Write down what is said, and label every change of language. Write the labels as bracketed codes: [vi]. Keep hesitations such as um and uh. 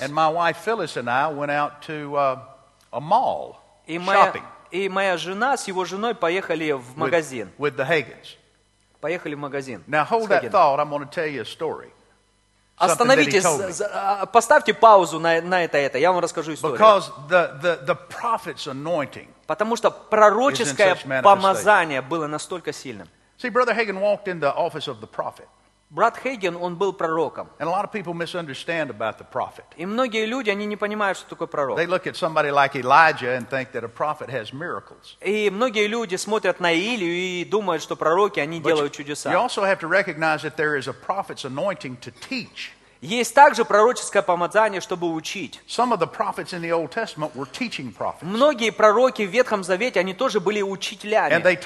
[en] And my wife Phyllis and I went out to uh, a mall [ru] и моя, [en] shopping. [ru] И моя жена с его женой поехали в магазин. [en] With, with the Hagens. [ru] Поехали в магазин. [en] Now hold that thought. I'm going to tell you a story. [ru] Остановите, поставьте паузу на, на это, это. Я вам расскажу историю. Потому что пророческое помазание было настолько сильным. [en] See, Brother Hagen walked in the office of the prophet. [ru] Брат Хейген, он был пророком. [en] And a lot of people misunderstand about the prophet. [ru] И многие люди, они не понимают, что такое пророк. [en] They look at somebody like Elijah and think that a prophet has miracles. [ru] И многие люди смотрят на Илию и думают, что пророки, они but делают чудеса. [en] You also have to recognize that there is a prophet's anointing to teach. [ru] Есть также пророческое помазание, чтобы учить. Многие пророки в Ветхом Завете, они тоже были учителями.